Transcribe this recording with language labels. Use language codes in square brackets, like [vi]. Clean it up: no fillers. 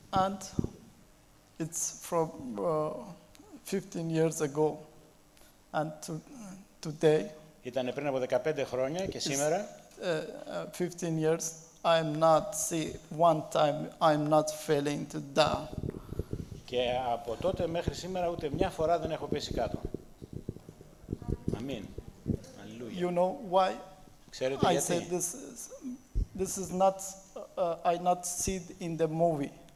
[en] And it's from 15 years ago and today. [el] Ήταν πριν από 15 χρόνια και σήμερα. [en] 15 years I'm not see one time I'm not failing to die. [el] Και από τότε μέχρι σήμερα ούτε μια φορά δεν έχω πέσει κάτω. Αμήν. Αλληλούια. [en] You know why? [el] Ξέρετε γιατί? [en] I said this is not I not see in the movie.